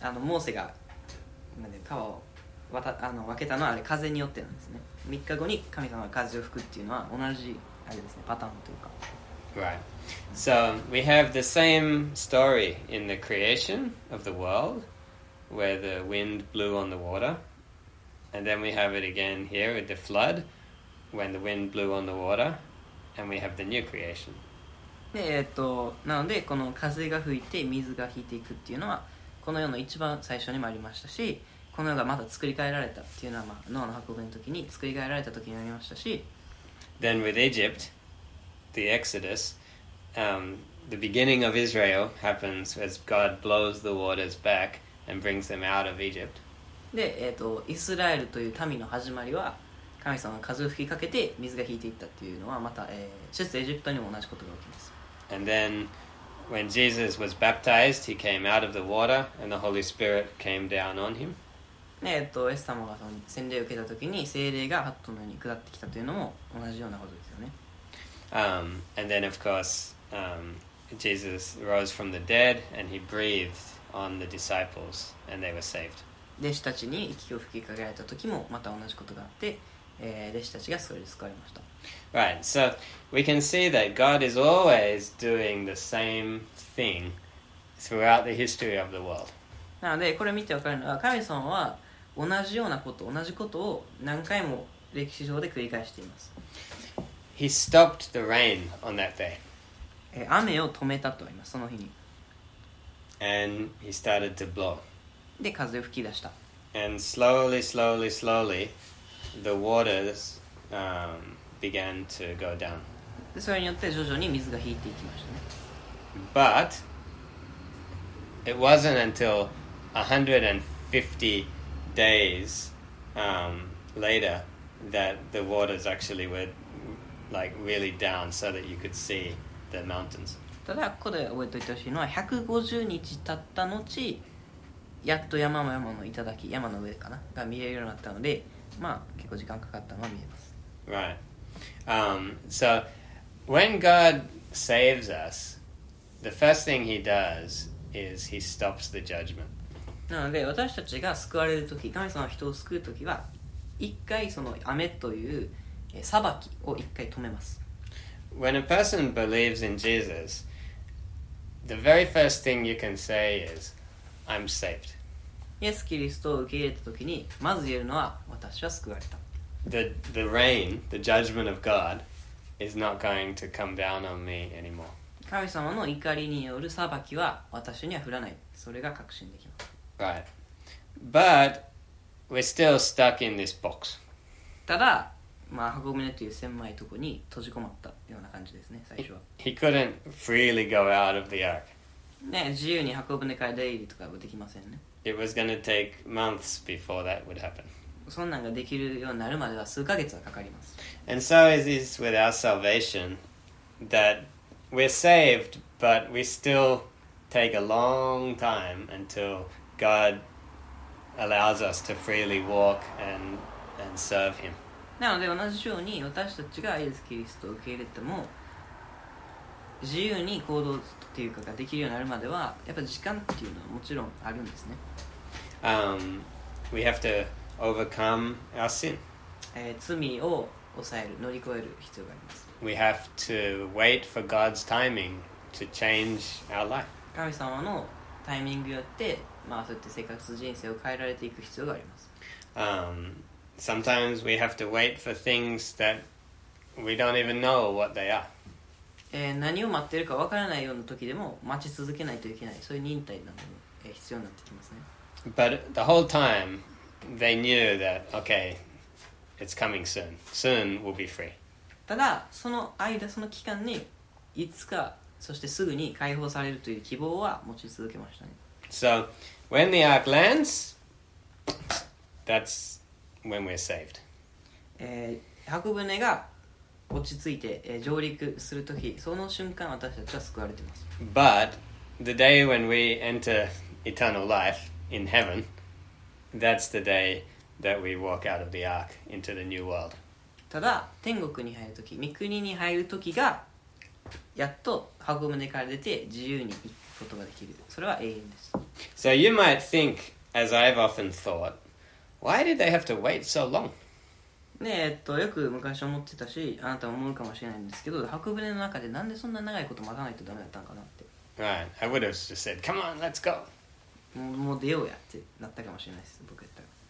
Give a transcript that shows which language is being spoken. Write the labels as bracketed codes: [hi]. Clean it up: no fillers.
[ja] モーセが、なんで、川を分けたのはあれ、風によってなんですね。 3日後に神様が風を吹くっていうのは、同じ、あれですね、パターンというか。 [en] Right. So we have the same story in the creation of the world where the wind blew on the water. And then we have it again here with the flood when the wind blew on the water. And we have the new creation. [ja] で、なのでこの風が吹いて水が引いていくっていうのはこの世の一番最初にもありましたし、この世がまた作り変えられたっていうのは、まあ、ノアの箱舟の時に作り変えられた時にありましたし。 [en] Then with Egypt,The Exodus,、the beginning of Israel happens as God blows the waters back and brings them out of Egypt. [ja] で、イスラエルという民の始まりは神様が風を吹きかけて水が引いていったっていうのはまた、出エジプトにも同じことが起きます。 [en] And then, when Jesus was baptized, he came out of the water and the Holy Spirit came down on him. [ja] で、イエス様が洗礼を受けた時に聖霊がハットのように下ってきたというのも同じようなことですよね。 [en] And then, of course, Jesus rose from the dead, and he breathed on the disciples, and they were saved. [ja] 弟子たちに息を吹きかけられた時もまた同じことがあって、弟子たちがそれで救われました。 [en] Right. So we can see that God is always doing the same thing throughout the history of the world. [ja] なので、これを見てわかるのは、神様は同じことを何回も歴史上で繰り返しています。 [en] He stopped the rain on that day. [ja] 雨を止めたと言います、その日に。 [en] And he started to blow. [ja] で、風を吹き出した。 [en] And slowly, slowly, slowly, the waters, began to go down. [ja] で、それによって徐々に水が引いていきましたね。 [en] But it wasn't until 150 days, later that the waters actually were. Like really down, so that you could see the mountains. [ja] ただここで覚えておいてほしいのは、150日経った後、やっと山の頂き、山の上かなが見えるようになったので、まあ結構時間かかったのは見えます。 [en] Right. So when God saves us, the first thing He does is He stops the judgment. [ja] なので私たちが救われるとき、神様は人を救うときは、一回その雨という裁きを一回止めます。 [en] When a person believes in Jesus, the very first thing you can say is, I'm saved. [ja] イエス・キリストを受け入れたときに、まず言えるのは、私は救われた。 [en] The rain, the judgment of God, is not going to come down on me anymore. [ja] 神様の怒りによる裁きは私には降らない。それが確信できます。 [en] Right. But we're still stuck in this box. [ja] ただ、まあ、箱舟という狭いとこに閉じ込まったような感じですね、最初は。 [en] He couldn't freely go out of the ark. [ja] ね、自由に箱舟から出入りとかはできませんね。 [en] It was gonna take months before that would happen. [ja] そんなんができるようになるまでは数ヶ月はかかります。 [en] And so it is with our salvation that we're saved, but we still take a long time until God allows us to freely walk and serve Him. [ja] なので同じように私たちがイエス・キリストを受け入れても自由に行動っていうかができるようになるまではやっぱ時間っていうのはもちろんあるんですね。 [en] We have to overcome our sin. [ja] 罪を抑える、乗り越える必要があります。 [en] We have to wait for God's timing to change our life. [ja] 神様のタイミングによって、まあそうやって生活人生を変えられていく必要があります。 [en] Sometimes we have to wait for things that we don't even know what they are. [ja] 何を待ってるかわからないような時でも待ち続けないといけない、そういう忍耐なども必要になってきますね。 [en] But the whole time, they knew that, okay, it's coming soon. Soon we'll be free. [ja] ただその間その期間にいつかそしてすぐに解放されるという希望は持ち続けましたね。 [en] So when the ark lands, that's when we're saved. [ja] 箱舟が落ち着いて上陸するとき、その瞬間私たちは救われています。 [en] But the day when we enter eternal life in heaven, that's the day that we walk out of the ark into the new world. [ja] ただ天国に入るとき、御国に入るときがやっと箱舟から出て自由に行くことができる。それは永遠です。 [en] So you might think, as I've often thought, why did they have to wait so long? [ja] ねえ、よく昔思ってたし、あなたも思うかもしれないんですけど、箱舟の中でなんでそんな長いこと待たないとダメだったのかなって。 [en] Right, I would have just said, come on, let's go. [ja] もう出ようやってなったかもしれないです、僕やったら。